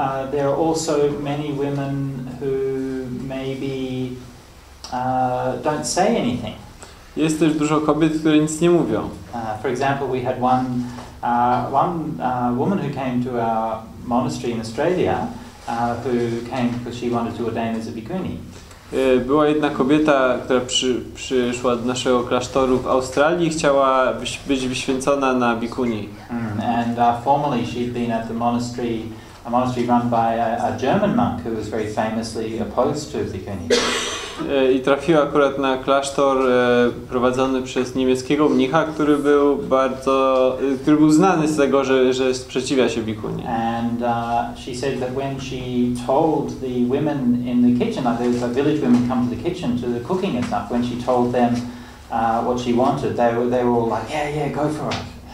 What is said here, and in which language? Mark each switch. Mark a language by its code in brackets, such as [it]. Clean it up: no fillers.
[en] There are also many women who maybe don't say anything. [pl] Jest też dużo kobiet, które nic nie mówią. [en] For example, we had one woman who came to our monastery in Australia, who came because she wanted to ordain as a bikini. [pl] Była jedna kobieta, która przyszła do naszego klasztoru w Australii i chciała być wyświęcona na bikuni. [en] And formerly she'd been at the monastery, a monastery run by a German monk who was very famously opposed to bikini. [pl] I trafiła akurat na klasztor prowadzony przez niemieckiego mnicha, który był bardzo, który był znany z tego, że sprzeciwia się bikuni. [en] And she said that when she told the women in the kitchen, like the village women come to the kitchen to the cooking and stuff, when she told them what she wanted, they were all like, yeah, yeah, go for it.